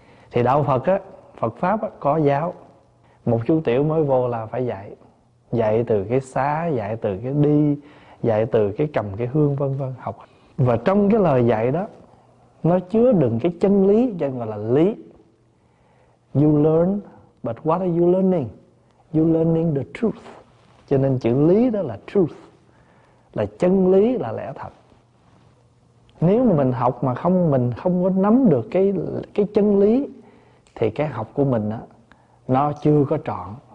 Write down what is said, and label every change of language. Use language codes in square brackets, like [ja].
[vi] Thì đạo Phật á, Phật Pháp á, có giáo. Một chú tiểu mới vô là phải dạy. Dạy từ cái xá, dạy từ cái đi, dạy từ cái cầm cái hương, vân vân, học. Và trong cái lời dạy đó, nó chứa đựng cái chân lý, chân gọi là lý. [en] You learn, but what are you learning? You learning the truth. [vi] Cho nên chữ lý đó là truth, là chân lý, là lẽ thật. Nếu mà mình học mà không, mình không có nắm được cái chân lý, thì cái học của mình đó, nó chưa có trọn.